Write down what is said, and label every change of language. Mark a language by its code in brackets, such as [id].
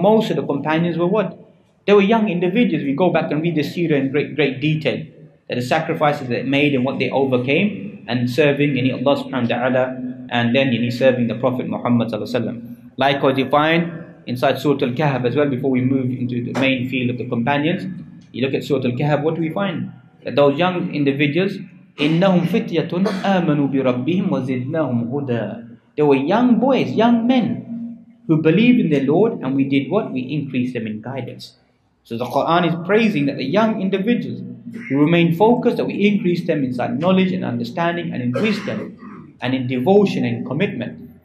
[en] Most of the companions were what? They were young individuals. If you go back and read the seerah in great detail, the sacrifices they made and what they overcame, and serving, yani, Allah subhanahu wa ta'ala, and then, yani, serving the Prophet Muhammad sallallahu alaihi wasallam. Likewise, you find inside Surah Al-Kahf as well, before we move into the main field of the companions, you look at Surah Al-Kahf, what do we find? That those young individuals, [ar] إِنَّهُمْ فِتْيَةٌ آمَنُوا بِرَبِّهِمْ وَزِدْنَاهُمْ هُدَىٰ. [en] They were young boys, young men, who believed in their Lord, and we did what? We increased them in guidance. So the Quran is praising that the young individuals who remain focused, that we increase them inside knowledge and understanding and in wisdom and in devotion and commitment.